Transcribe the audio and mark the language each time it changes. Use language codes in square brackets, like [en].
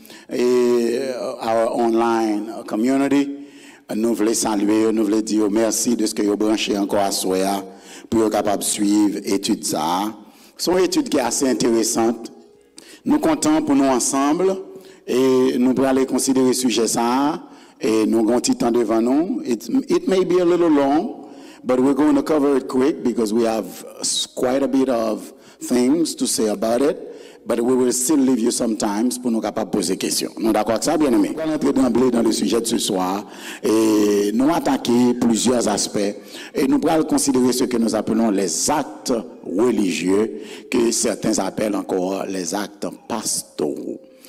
[fr] Et [en] our online community, [fr] nous voulons saluer, nous voulons dire merci de ce que vous branchez encore à Soya pour être capable de suivre l'étude ça. C'est une étude qui est assez intéressante. Nous comptons pour nous ensemble et nous pourrons aller considérer le sujet ça et nous avons un petit temps devant nous. [en] It may be a little long, but we're going to cover it quick because we have quite a bit of things to say about it. But we will still leave you some time [fr] pour nous capables de poser des questions. Nous sommes d'accord avec ça, bien-aimés? Nous allons entrer d'emblée dans le sujet de ce soir et nous attaquer plusieurs aspects et nous allons considérer ce que nous appelons les actes religieux que certains appellent encore les actes pastoraux.